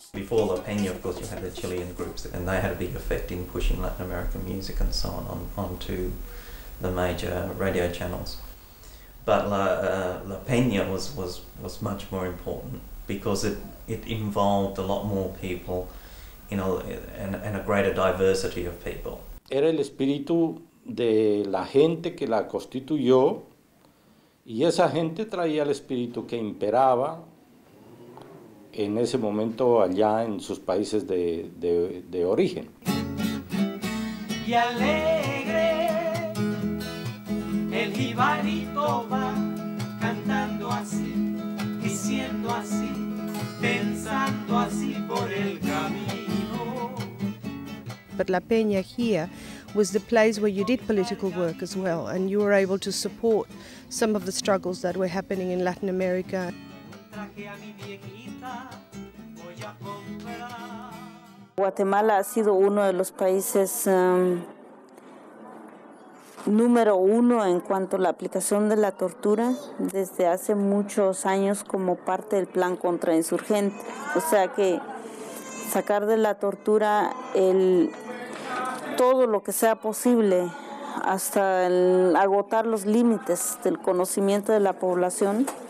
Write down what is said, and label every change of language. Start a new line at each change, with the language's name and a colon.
English: Before La Peña, of course, you had the Chilean groups and they had a big effect in pushing Latin American music and so onto the major radio channels. But La Peña was much more important, because it involved a lot more people, you know, and a greater diversity of people.
Spanish: Era el espíritu de la gente que la constituyó, y esa gente traía el espíritu que imperaba en ese momento allá en sus países de origen. Y alegre el jibarito va cantando así, diciendo así, pensando así por el camino.
English: But La Peña here was the place where you did political work as well, and you were able to support some of the struggles that were happening in Latin America.
Spanish: Guatemala ha sido uno de los países número uno en cuanto a la aplicación de la tortura desde hace muchos años como parte del plan contrainsurgente. O sea que sacar de la tortura todo lo que sea posible, hasta el agotar los límites del conocimiento de la población.